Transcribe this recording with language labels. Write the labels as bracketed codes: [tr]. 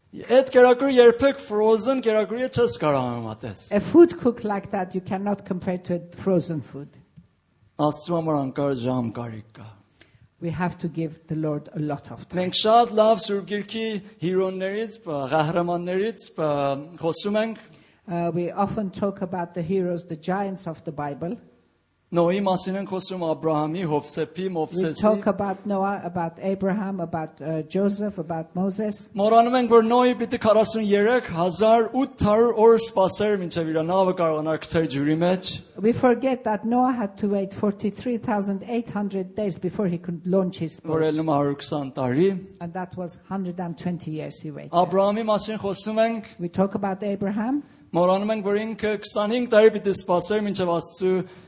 [en] A food cooked like that you cannot compare to a frozen food. We have to give the Lord a lot of time. [hy] Մենք շատ լավ սուրգիրքի հերոներից, ղահրամաններից խոսում ենք. [en] We often talk about the heroes, the giants of the Bible. [hy] Նոյի մասին ենք խոսում, Աբրահամի, Հովսեփի, Մովսեսի. [en] We talk about Noah, about Abraham, about Joseph, about Moses. [hy] Մորանում ենք, որ Նոյի պիտի 43,800 օր սպասեր, մինչև իր նավը կարողանար գցել ջրի մեջ. [en] We forget that Noah had to wait 43,800 days before he could launch his boat. [hy] Մորանում 120 տարի. [en] And that was 120 years he waited. [hy] Աբրահամի մասին խոսում ենք. [en] We talk about Abraham. [hy] Մորանում ենք, որ ինքը 25 տարի պիտի սպասեր, մինչև Աստծո